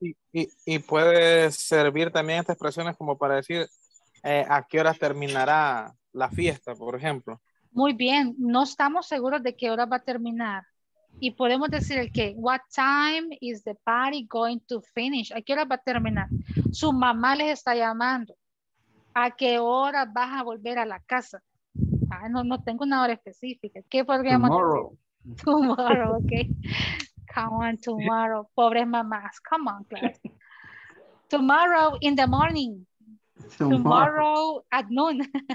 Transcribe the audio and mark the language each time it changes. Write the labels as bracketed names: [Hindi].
[Spanish] Y puede servir también estas expresiones como para decir ¿a qué horas terminará la fiesta, por ejemplo? Muy bien, no estamos seguros de qué hora va a terminar. Y podemos decir el qué. [English] What time is the party going to finish? [Spanish] ¿A qué hora va a terminar? Su mamá les está llamando. ¿A qué hora vas a volver a la casa? Ah, no, no tengo una hora específica. ¿Qué podríamos decir? [English] Tomorrow, ok. Come on, tomorrow. [Spanish] Pobres mamás. [English] Come on, class. Tomorrow in the morning. Tomorrow at noon.